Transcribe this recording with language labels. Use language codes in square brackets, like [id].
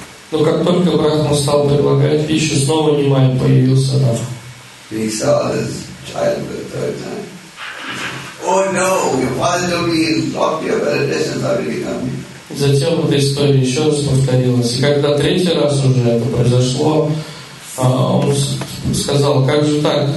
[ru] Но как только брахман стал предлагать пищу, снова Нимай появился там. [en] He saw his child for the third time. Oh no, your father told me he locked you up at a distance. How did he come here? [ru] Затем эта история еще раз повторилась. И когда третий раз уже это произошло, он сказал: «Как же так?